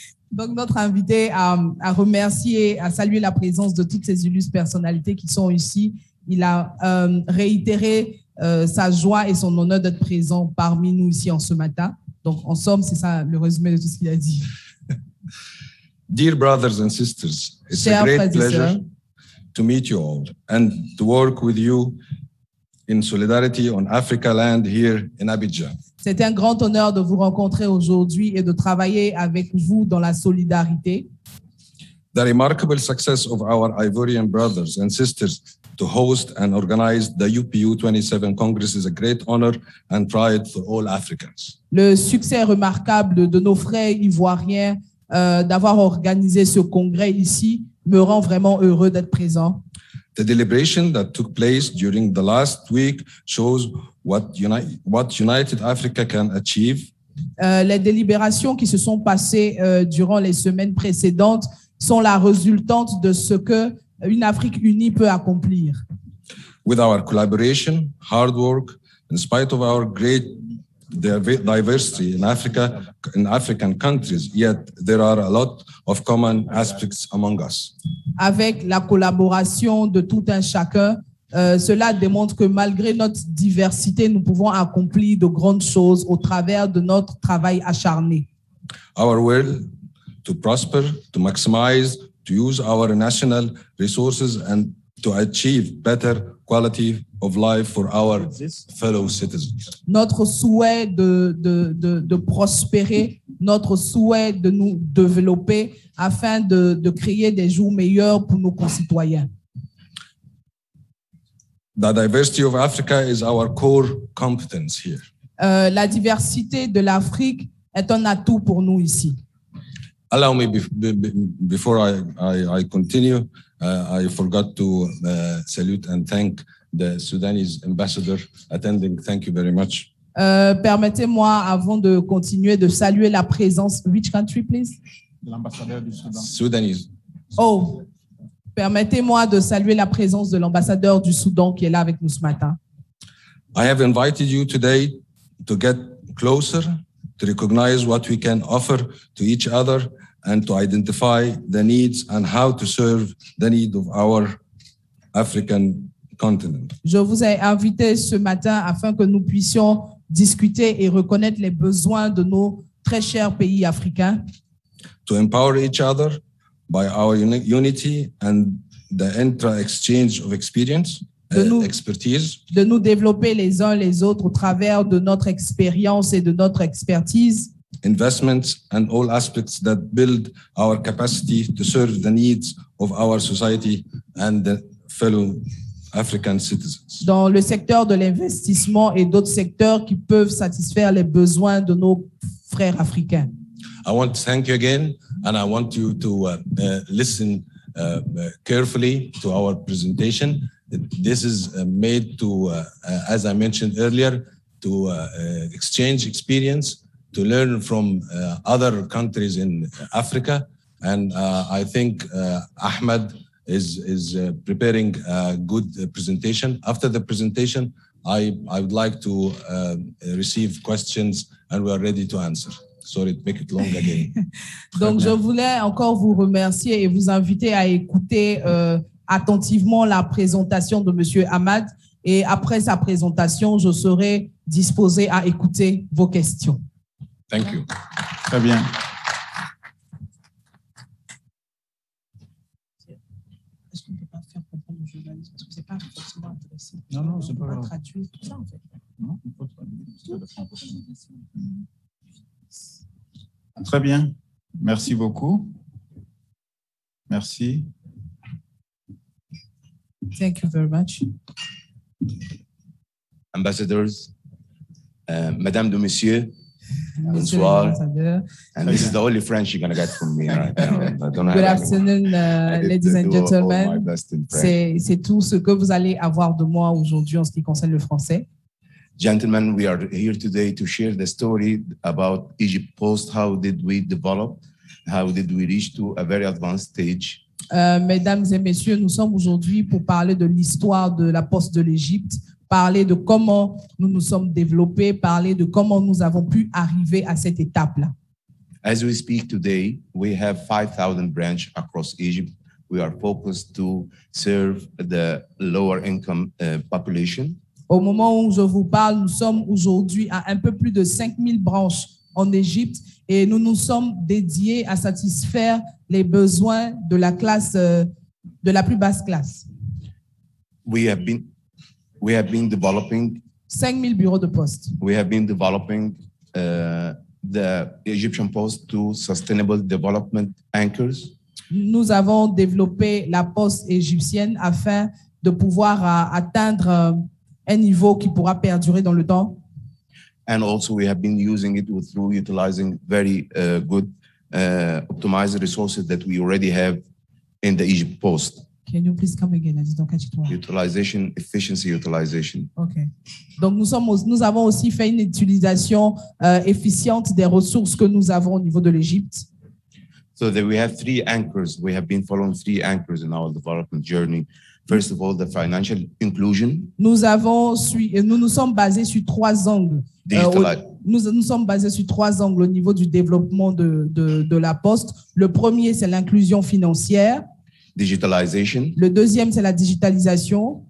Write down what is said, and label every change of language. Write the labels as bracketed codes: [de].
[fr] Donc, notre invité a remercié, a salué la présence de toutes ces illustres personnalités qui sont ici. Il a réitéré sa joie et son honneur d'être présent parmi nous ici en ce matin. Donc, en somme, c'est ça le résumé de tout ce qu'il a dit. [en] Dear brothers and sisters, it's a great pleasure to meet you all and to work with you in solidarity on Africa land here in Abidjan. [fr] C'est un grand honneur de vous rencontrer aujourd'hui et de travailler avec vous dans la solidarité. [en] The remarkable success of our Ivorian brothers and sisters to host and organize the UPU 27 Congress is a great honor and pride for all Africans. [fr] Le succès remarquable de nos frères ivoiriens d'avoir organisé ce congrès ici me rend vraiment heureux d'être présent. [en] The deliberation that took place during the last week shows what United Africa can achieve. [fr] Les délibérations qui se sont passées durant les semaines précédentes sont la résultante de ce que une Afrique unie peut accomplir. [en] With our collaboration, hard work, in spite of our great diversity in African countries, yet there are a lot of common aspects among us. [fr] Avec la collaboration de tout un chacun, cela démontre que malgré notre diversité, nous pouvons accomplir de grandes choses au travers de notre travail acharné. [en] Our will to prosper, to maximize, to use our national resources and to achieve better quality of life for our fellow citizens. [fr] Notre souhait de prospérer, notre souhait de nous développer afin de créer des jours meilleurs pour nos concitoyens. [en] The diversity of Africa is our core competence here. [fr] La diversité de l'Afrique est un atout pour nous ici. [en] Allow me before I continue. I forgot to salute and thank the Sudanese ambassador attending. Thank you very much. [fr] Permettez-moi, avant de continuer, de saluer la présence. [en] Which country, please? [fr] L'ambassadeur du Soudan. [en] Sudanese. [fr] Oh, permettez-moi de saluer la présence de l'ambassadeur du Soudan qui est là avec nous ce matin. [en] I have invited you today to get closer, to recognize what we can offer to each other, and to identify the needs and how to serve the need of our African continent. [fr] Je vous ai invité ce matin afin que nous puissions discuter et reconnaître les besoins de nos très chers pays africains. [en] To empower each other by our unity and the intra-exchange of experience, expertise. [fr] De nous développer les uns les autres au travers de notre expérience et de notre expertise. [en] Investments and all aspects that build our capacity to serve the needs of our society and the fellow African citizens. [fr] Dans le secteur de l'investissement et d'autres secteurs qui peuvent satisfaire les besoins de nos frères africains. [en] I want to thank you again and I want you to listen carefully to our presentation. This is made to, as I mentioned earlier, to exchange experience, to learn from other countries in Africa. And I think Ahmed is preparing a good presentation. After the presentation, I would like to receive questions and we are ready to answer. Sorry to make it long again. [fr] Donc, je voulais encore vous remercier et vous inviter à écouter attentivement la présentation de Monsieur Ahmed. Et après sa présentation, je serai disposé à écouter vos questions. [en] Thank you. [fr] Très bien. Est-ce qu'on ne peut pas faire comprendre le journaliste? Parce que ce n'est pas forcément intéressé. Non, non, c'est pas grave. On va traduire tout ça, en fait. Non, il faut traduire. Très bien. Merci beaucoup. Merci. [en] Thank you very much. [fr] Ambassadors, madame de monsieur, bonsoir. [en] And this is the only French you're going to get from me. Good afternoon, ladies and gentlemen. [fr] C'est tout ce que vous allez avoir de moi aujourd'hui en ce qui concerne le français. [en] Gentlemen, we are here today to share the story about Egypt Post. How did we develop? How did we reach to a very advanced stage? [fr] Mesdames et messieurs, nous sommes aujourd'hui pour parler de l'histoire de la Poste de l'Égypte. Parler de comment nous nous sommes développés, parler de comment nous avons pu arriver à cette étape-là. [en] As we speak today, we have 5,000 branches across Egypt. We are focused to serve the lower income population. [fr] Au moment où je vous parle, nous sommes aujourd'hui à un peu plus de 5,000 branches en Égypte et nous nous sommes dédiés à satisfaire les besoins de la classe, de la plus basse classe. [en] We have been developing [fr] 5,000 bureaux de poste. [en] We have been developing the Egyptian Post to sustainable development anchors. [fr] Nous avons développé la poste égyptienne afin de pouvoir atteindre un niveau qui pourra perdurer dans le temps. [en] And also we have been using it through utilizing very good optimized resources that we already have in the Egypt Post. Can you please come again? [fr] Dit, donc, [en] utilization, efficiency utilization. Okay. [fr] Donc nous sommes, nous avons aussi fait une utilisation efficiente des ressources que nous avons au niveau de l'Égypte. [en] So that we have three anchors. We have been following three anchors in our development journey. First of all, the financial inclusion. [fr] Nous sommes basés sur trois angles au niveau du développement de la poste. Le premier, c'est l'inclusion financière. [en] Digitalization. [fr] Le deuxième, c'est la digitalisation.